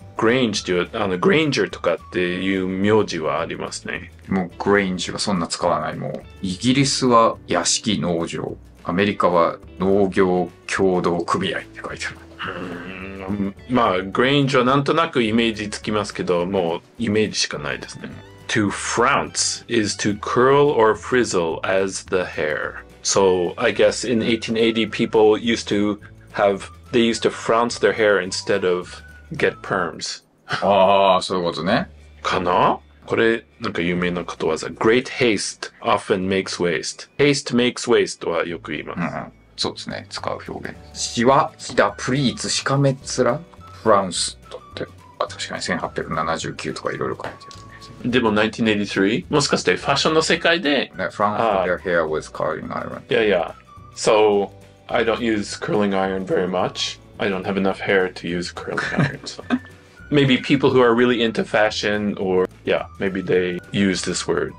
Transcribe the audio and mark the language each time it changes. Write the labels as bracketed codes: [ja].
[ja] Grange という、Granger とかっていう名字はありますね。もう Grange はそんな使わない。もう、イギリスは屋敷農場。アメリカは農業協同組合って書いてある。まあ、Grange はなんとなくイメージつきますけど、もうイメージしかないですね。 [en] To frounce is to curl or frizzle as the hair. So, I guess in 1880 people used to have... They used to frounce their hair instead of get perms. [ja] ああ、そういうことね。かな？これ、なんか有名なことわざ。 [en] Great haste often makes waste. Haste makes waste [ja] はよく言います。うん、そうですね。使う表現。しわ、ひだ、プリーツ、しかめつら、フランスとって。あ、確かに1879とかいろいろ書いてある。でも1983、もしかしてファッションの世界で。 [en] ね、frounce their hair with curling iron. Yeah, yeah. So,I don't use curling iron very much. I don't have enough hair to use curling iron. So. maybe people who are really into fashion or, yeah, maybe they use this word.